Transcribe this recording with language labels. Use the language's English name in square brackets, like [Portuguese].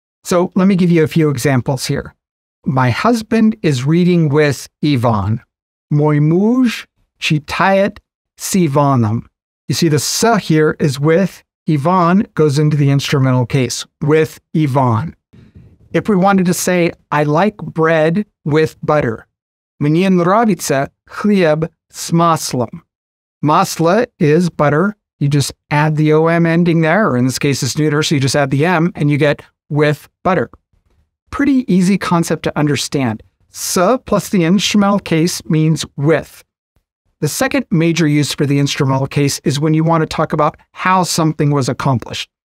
[English] So let me give you a few examples here. My husband is reading with Ivan. [Russian] Moi muž čitaet s Ivanom. [English] You see the su here is with Ivan goes into the instrumental case, with Ivan. If we wanted to say, I like bread with butter. [Russian] Мне нравится хлеб с маслом. [English] Масло is butter. You just add the OM ending there, or in this case, it's neuter, so you just add the M, and you get with butter. Pretty easy concept to understand. Su plus the instrumental case means with. The second major use for the instrumental case is when you want to talk about how something was accomplished.